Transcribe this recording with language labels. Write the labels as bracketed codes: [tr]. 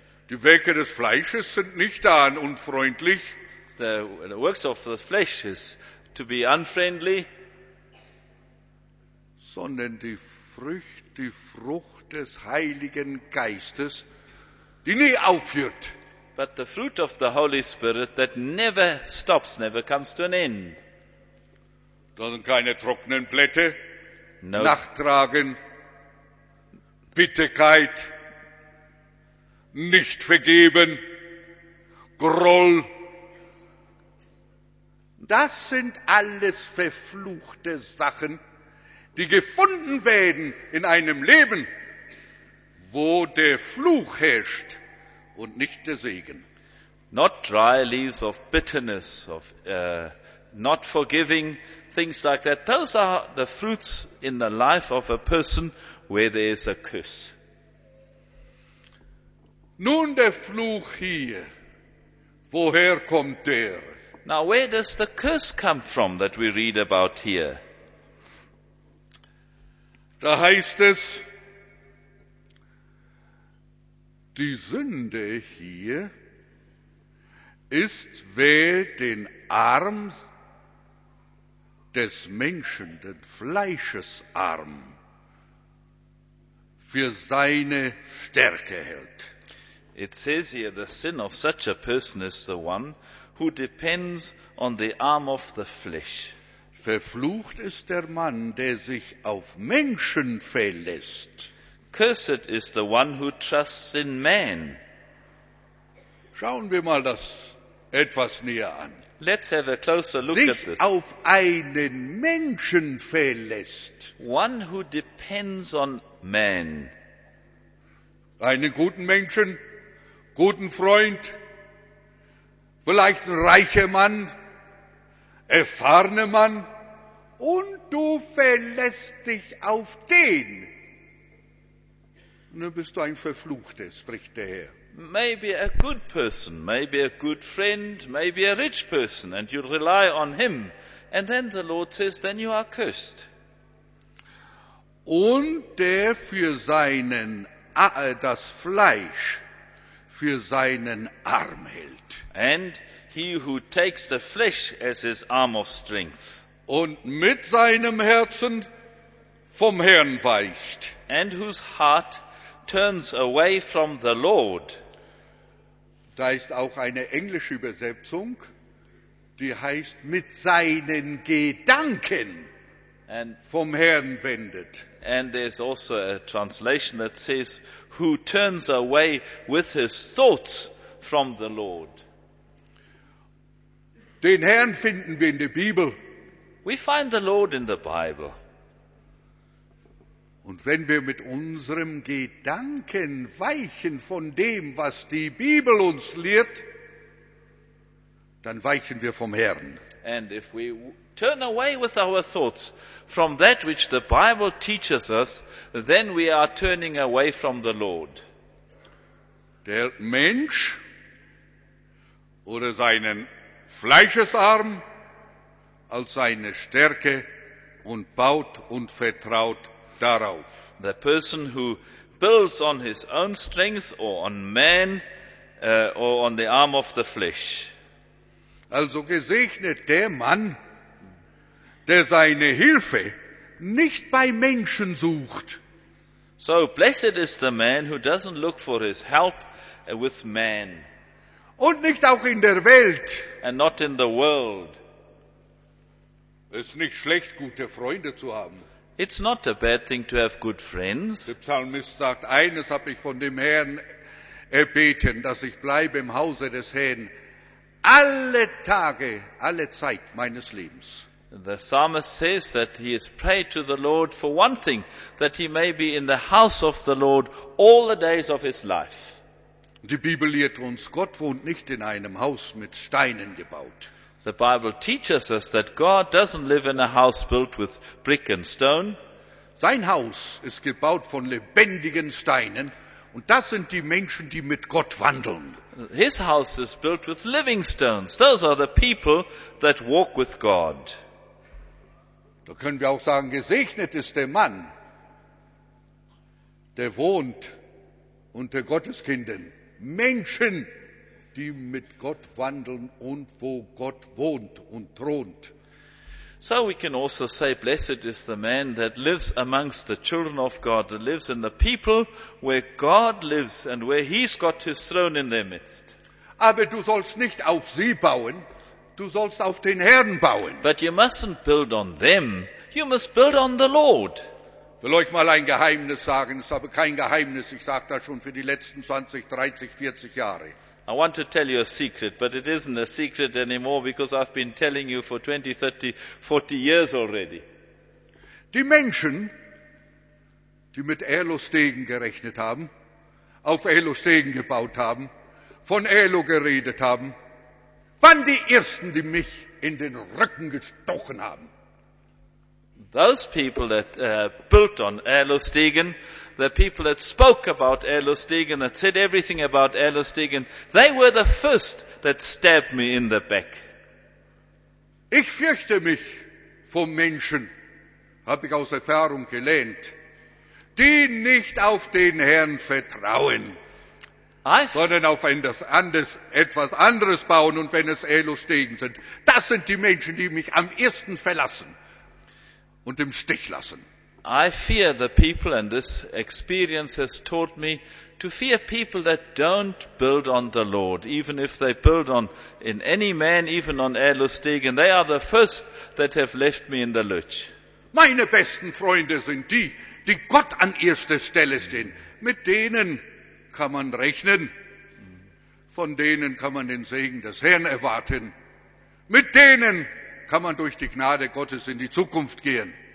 [de] Die Werke des Fleisches sind nicht da und unfreundlich. [en] The works of the flesh is to be unfriendly. [de] Sondern die Frucht des Heiligen Geistes, die nie aufhört. [en] But the fruit of the Holy Spirit that never stops, never comes to an end. [de] Dann keine trockenen Blätter, Nachtragen, Bitterkeit, nicht vergeben, Groll. Das sind alles verfluchte Sachen, die gefunden werden in einem Leben, wo der Fluch herrscht und nicht der Segen. [en] Not dry leaves of bitterness, of not forgiving, things like that. Those are the fruits in the life of a person where there is a curse. [de] Nun der Fluch hier. Woher kommt der? [en] Now where does the curse come from that we read about here? [de] Da heißt es, die Sünde hier ist, wer den Arm des Menschen, den Fleischesarm, für seine Stärke hält. [en] It says here, the sin of such a person is the one who depends on the arm of the flesh. [de] Verflucht ist der Mann, der sich auf Menschen verlässt. [en] Cursed is the one who trusts in man. [de] Schauen wir mal das etwas näher an. [en] Let's have a closer look [de] sich [en] at this. [de] Sich auf einen Menschen verlässt. [en] One who depends on man. [de] Einen guten Menschen, guten Freund, vielleicht ein reicher Mann, erfahrener Mann, und du verlässt dich auf den. Nun bist du ein Verfluchter, spricht der Herr. [en] maybe a good person, maybe a good friend, maybe a rich person, and you rely on him. And then the Lord says, then you are cursed. [de] Und der für seinen, das Fleisch für seinen Arm hält. [en] And he who takes the flesh as his arm of strength. [de] Und mit seinem Herzen vom Herrn weicht. [en] And whose heart turns away from the Lord. [de] Da ist auch eine englische Übersetzung, die heißt, mit seinen Gedanken vom Herrn wendet. [en] And there's also a translation that says, who turns away with his thoughts from the Lord. [de] Den Herrn finden wir in der Bibel. [en] We find the Lord in the Bible. [de] Und wenn wir mit unserem Gedanken weichen von dem, was die Bibel uns lehrt, dann weichen wir vom Herrn. [en] And if we turn away with our thoughts from that which the Bible teaches us, then we are turning away from the Lord. [de] Der Mensch oder seinen Fleischesarm als seine Stärke und baut und vertraut darauf. [en] The person who builds on his own strength or on man or on the arm of the flesh. [de] Also gesegnet der Mann, der seine Hilfe nicht bei Menschen sucht. [en] So blessed is the man who doesn't look for his help with man. [de] Und nicht auch in der Welt. [en] And not in the world. [de] Es ist nicht schlecht, gute Freunde zu haben. [en] It's not a bad thing to have good friends. [de] Der Psalmist sagt, eines habe ich von dem Herrn erbeten, dass ich bleibe im Hause des Herrn alle Tage, alle Zeit meines Lebens. [en] The psalmist says that he has prayed to the Lord for one thing, that he may be in the house of the Lord all the days of his life. [de] Die Bibel lehrt uns, Gott wohnt nicht in einem Haus mit Steinen gebaut. [en] The Bible teaches us that God doesn't live in a house built with brick and stone. [de] Sein Haus ist gebaut von lebendigen Steinen. Und das sind die Menschen, die mit Gott wandeln. [en] His house is built with living stones. Those are the people that walk with God. [de] Da können wir auch sagen, gesegnet ist der Mann, der wohnt unter Gotteskindern. Menschen, die mit Gott wandeln und wo Gott wohnt und thront. [en] So we can also say, blessed is the man that lives amongst the children of God, that lives in the people where God lives and where he's got his throne in their midst. [de] Aber du sollst nicht auf sie bauen, du sollst auf den Herrn bauen. [en] But you mustn't build on them, you must build on the Lord. [de] Will euch mal ein Geheimnis sagen, es habe kein Geheimnis, ich sage das schon für die letzten 20, 30, 40 Jahre. [en] I want to tell you a secret, but it isn't a secret anymore because I've been telling you for 20, 30, 40 years already. [de] Die Menschen, die mit Elo-Stegen gerechnet haben, auf Elo-Stegen gebaut haben, von Elo geredet haben, waren die Ersten, die mich in den Rücken gestochen haben. [en] Those people that built on Elo-Stegen, the people that spoke about Elo-Stegen, that said everything about Elo-Stegen, they were the first that stabbed me in the back. [de] Ich fürchte mich vor Menschen, habe ich aus Erfahrung gelernt, die nicht auf den Herrn vertrauen, sondern auf etwas anderes bauen. Und wenn es Elo-Stegen sind, das sind die Menschen, die mich am ersten verlassen und im Stich lassen. [en] I fear the people, and this experience has taught me to fear people that don't build on the Lord, even if they build on in any man, even on Elo-Stegen. They are the first that have left me in the lurch. [de] Meine besten Freunde sind die, die Gott an erster Stelle stehen. Mit denen kann man rechnen. Von denen kann man den Segen des Herrn erwarten. Mit denen kann man durch die Gnade Gottes in die Zukunft gehen.